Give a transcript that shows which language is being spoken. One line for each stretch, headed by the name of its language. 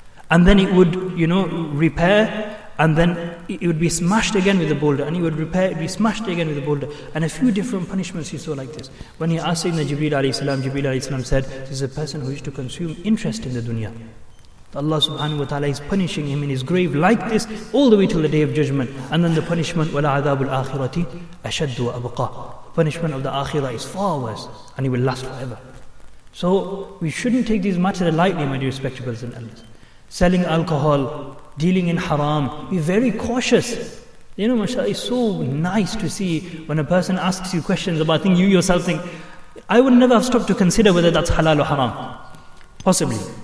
English: And then it would, you know, repair, and then it would be smashed again with a boulder, and it would repair, it would be smashed again with a boulder. And a few different punishments he saw like this. When he asked Sayyidina Jibreel alayhi salam, Jibreel alayhi salam said, this is a person who used to consume interest in the dunya. Allah subhanahu wa ta'ala is punishing him in his grave like this all the way till the day of judgment. And then the punishment,
Arabic: وَلَا عَذَابُ الْآخِرَةِ أَشَدُّ وَأَبْقَى.
English: Punishment of the akhirah is far worse and it will last forever. So we shouldn't take these matters lightly, my dear respected brothers and elders. Selling alcohol, dealing in haram, be very cautious. You know, mashallah, it's so nice to see when a person asks you questions about things, you yourself think, I would never have stopped to consider whether that's halal or haram. Possibly.